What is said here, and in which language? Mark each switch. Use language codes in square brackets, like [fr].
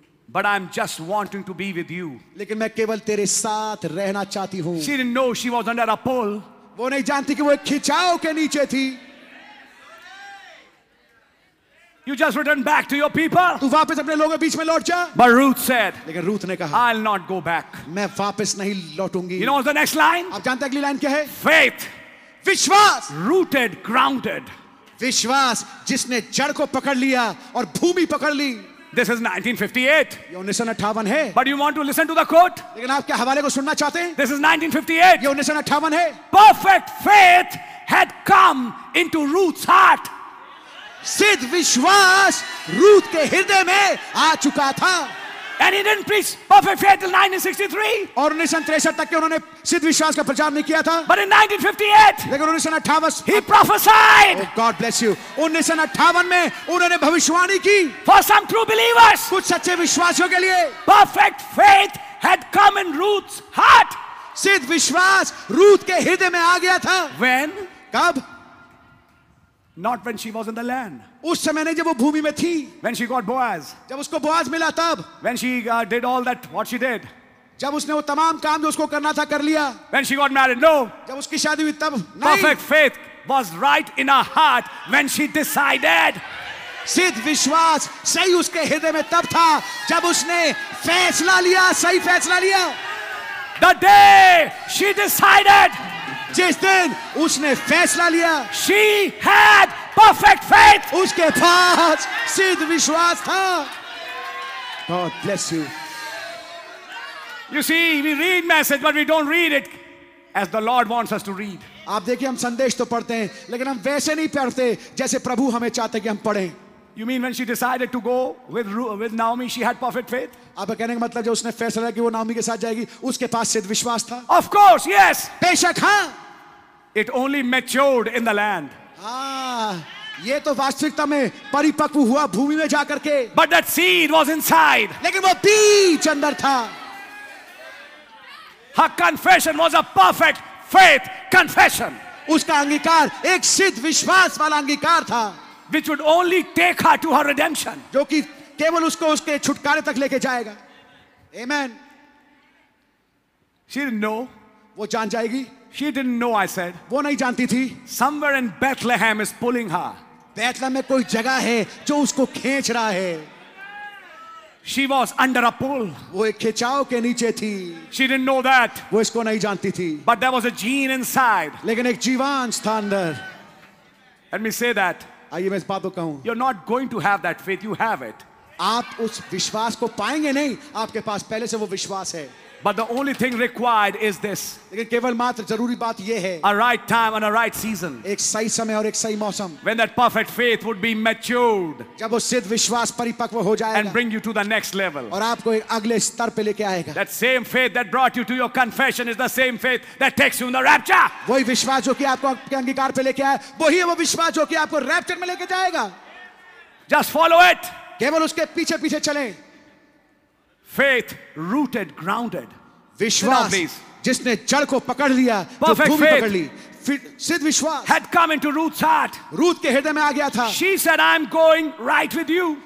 [en] But I'm just wanting to be with you. [hi] लेकिन मैं केवल तेरे साथ रहना चाहती हूँ. [en] She didn't know she was under a pull. [hi] वो नहीं जानती कि वो एक खिंचाव के नीचे थी. [en] You just return back to your people. [hi] तू वापस अपने लोगों के बीच में लौट जा. [en] But Ruth said. [hi] लेकिन रूथ ने कहा. [en] I'll not go back. [hi] मैं वापस नहीं लौटूंगी. [en] You know what's the next line? [hi] आप जानते हैं अगली लाइन क्या है? [en] Faith. [hi] विश्वास. [en] Rooted, grounded. [hi] विश्वास जिसने जड़ को पकड़ लिया और भूमि पकड़ ली. [en] This is [hi] 1958. है. [en] But you want to listen to the quote? [hi] लेकिन आप क्या हवाले को सुनना चाहते हैं? [en] This is 1958. [hi] ये 1958 है. [en] Perfect faith had come into Ruth's heart. [hi] सिद्ध विश्वास रूथ के हृदय में आ चुका था. [en] And he didn't preach perfect faith till 1963. [hi] और 1963 तक के उन्होंने सिद्ध विश्वास का प्रचार नहीं किया था. [en] But in 1958. [hi] लेकिन 1958. [en] He prophesied. Oh God bless you. [hi] 1958 में उन्होंने भविष्यवाणी की. [en] For some true believers. [hi] कुछ सच्चे विश्वासियों के लिए. [en] Perfect faith had come in Ruth's heart. [hi] सिद्ध विश्वास रूथ के हृदय में आ गया था. [en] When? [hi] कब? [en] Not when she was in the land. [hi] उस समय नहीं जब वो भूमि में थी. [en] When she got Boaz. [hi] जब उसको बोआज मिला तब. [en] When she did all that what she did. [hi] जब उसने वो तमाम काम जो उसको करना था कर लिया. [en] When she got married. No. [hi] जब उसकी शादी हुई तब. [en] Perfect faith was right in her heart when she decided. [hi] सिद्ध विश्वास सही उसके हृदय में तब था जब उसने फैसला लिया सही फैसला लिया. [en] The day she decided. [hi] जिस दिन उसने फैसला लिया. [en] She had perfect faith. [hi] उसके पास सिद्ध विश्वास था. [en] God bless you. You see, we read message, but we don't read it as the Lord wants us to read. [hi] आप देखिए हम संदेश तो पढ़ते हैं लेकिन हम वैसे नहीं पढ़ते जैसे प्रभु हमें चाहते हैं कि हम पढ़ें. [en] You mean when she decided to go with Naomi, she had perfect faith? [hi] आप कहने का मतलब जो उसने फैसला किया कि वो नाओमी के साथ जाएगी, उसके पास सिद्ध विश्वास था? [en] Of course, yes. [hi] बेशक हाँ. [en] It only matured in the land. [hi] हाँ, ये तो वास्तविकता में परिपक्व हुआ भूमि में जाकर के. [en] But that seed was inside. [hi] लेकिन वो बीज अंदर था. [en] Her confession was a perfect faith confession. [hi] उसका अंगीकार एक सिद्ध विश्वास वाला अंगीकार था. [en] Which would only take her to her redemption. [hi] जो कि केवल उसको उसके छुटकारे तक लेके जाएगा. [en] Amen. She didn't know. [hi] वो जान जाएगी. [en] She didn't know. I said. [hi] वो नहीं जानती थी. [en] Somewhere in Bethlehem is pulling her. [hi] Bethlehem में कोई जगह है जो उसको खींच रहा है. [en] She was under a pull. [hi] वो एक खिंचाव के नीचे थी. [en] She didn't know that. [hi] वो इसको नहीं जानती थी. [en] But there was a gene inside. [hi] लेकिन एक जीवांश था अंदर. [en] Let me say that. [hi] आइए मैं इस बात को कहूं. [en] You're not going to have that faith. You have it. [hi] आप उस विश्वास को पाएंगे नहीं. आपके पास पहले से वो विश्वास है. [en] But the only thing required is this. A right time and a right season. When that perfect faith would be matured. And bring you to the next level. That same faith that brought you to your confession is the same faith that takes you in the rapture. Just follow it. Faith rooted, grounded. [hi] विश्वास जिसने जड़ को पकड़ लिया जो भूमि पकड़ ली सिद्ध विश्वास [en] had come into Ruth's heart. [hi] Ruth के हृदय में आ गया था. [en] She said, I'm going right with you.